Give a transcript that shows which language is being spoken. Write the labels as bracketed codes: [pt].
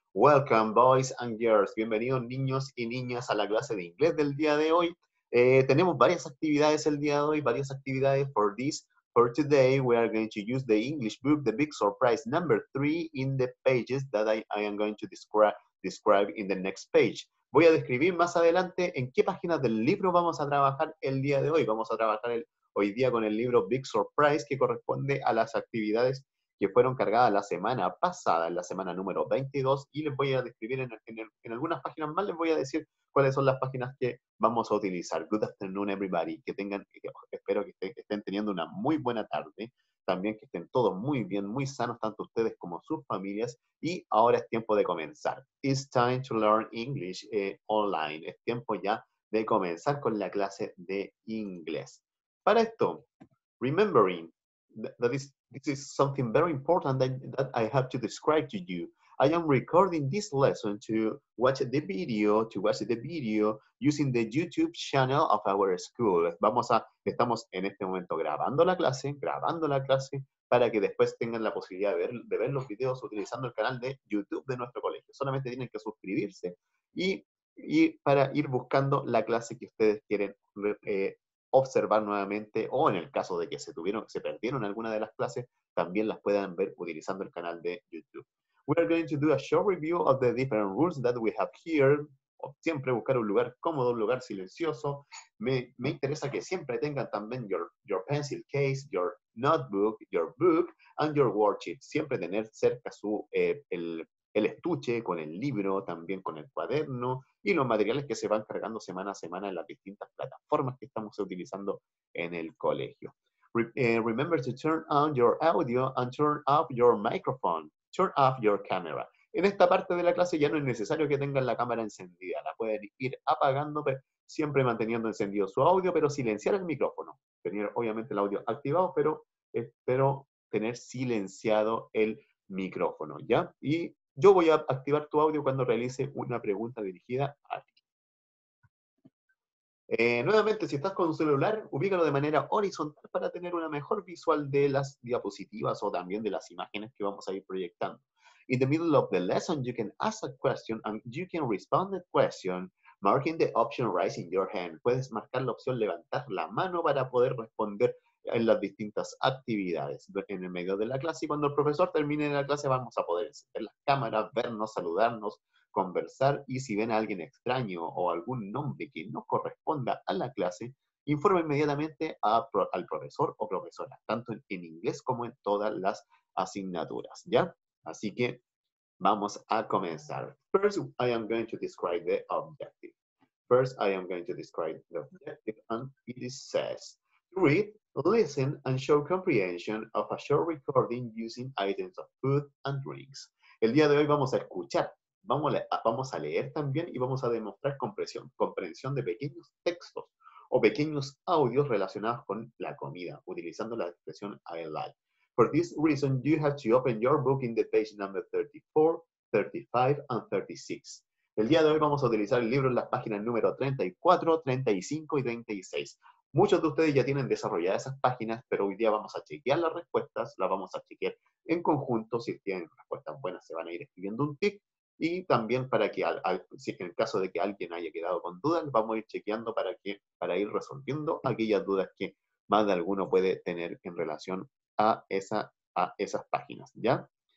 [en] Welcome boys and girls, [es] bienvenidos niños y niñas a la clase de inglés del día de hoy. Tenemos varias actividades el día de hoy, varias actividades [en] for this. For today, we are going to use the English book, The Big Surprise, number 3 in the pages that I am going to describe in the next page. [es] Voy a describir más adelante en qué página del libro vamos a trabajar el día de hoy. Vamos a trabajar hoy día con el libro Big Surprise, que corresponde a las actividades que fueron cargadas la semana pasada, en la semana número 22. Y les voy a describir en algunas páginas más, les voy a decir cuáles son las páginas que vamos a utilizar. [en] Good afternoon, everybody. [es] Que tengan, espero que estén teniendo una muy buena tarde. También que estén todos muy bien, muy sanos, tanto ustedes como sus familias. Y ahora es tiempo de comenzar. [en] It's time to learn English online. [es] Es tiempo ya de comenzar con la clase de inglés. Para esto, [en] remembering that this is something very important that I have to describe to you. I am recording this lesson to watch the video using the YouTube channel of our school. [es] Estamos en este momento grabando la clase para que después tengan la posibilidad de ver los videos utilizando el canal de YouTube de nuestro colegio. Solamente tienen que suscribirse y para ir buscando la clase que ustedes quieren observar nuevamente, o en el caso de que se perdieron alguna de las clases, también las puedan ver utilizando el canal de YouTube. [en] We are going to do a short review of the different rules that we have here. [es] Siempre buscar un lugar cómodo, un lugar silencioso. Me interesa que siempre tengan también [en] your pencil case, your notebook, your book, and your worksheet. [es] Siempre tener cerca el estuche con el libro, también con el cuaderno, y los materiales que se van cargando semana a semana en las distintas plataformas que estamos utilizando en el colegio. [en] Remember to turn on your audio and turn off your microphone. Turn off your camera. [es] En esta parte de la clase ya no es necesario que tengan la cámara encendida. La pueden ir apagando, siempre manteniendo encendido su audio, pero silenciar el micrófono. Tener obviamente el audio activado, pero espero tener silenciado el micrófono, ¿ya? Y yo voy a activar tu audio cuando realice una pregunta dirigida a ti. Nuevamente, si estás con un celular, ubícalo de manera horizontal para tener una mejor visual de las diapositivas o también de las imágenes que vamos a ir proyectando. [en] In the middle of the lesson, you can ask a question and you can respond the question marking the option raising your hand. [es] Puedes marcar la opción levantar la mano para poder responder en las distintas actividades. En el medio de la clase, cuando el profesor termine la clase, vamos a poder encender las cámaras, vernos, saludarnos, conversar, y si ven a alguien extraño o algún nombre que no corresponda a la clase, informe inmediatamente al profesor o profesora, tanto en inglés como en todas las asignaturas, ¿ya? Así que vamos a comenzar. [en] First, I am going to describe the objective. First, I am going to describe the objective, and it says, read, listen, and show comprehension of a short recording using items of food and drinks. [es] El día de hoy vamos a escuchar. Vamos a leer también y vamos a demostrar comprensión de pequeños textos o pequeños audios relacionados con la comida, utilizando la expresión [en] I like. For this reason, you have to open your book in the page number 34, 35, and 36. [es] El día de hoy vamos a utilizar el libro en las páginas número 34, 35 y 36. Muchos de ustedes ya tienen desarrolladas esas páginas, pero hoy día vamos a chequear las respuestas, las vamos a chequear en conjunto. Si tienen respuestas buenas, se van a ir escribiendo un tick. Y también para que, en caso de que alguien haya quedado con dudas, vamos a ir chequeando para ir resolviendo aquellas dudas que más de alguno puede tener en relación a esas páginas, ¿ya?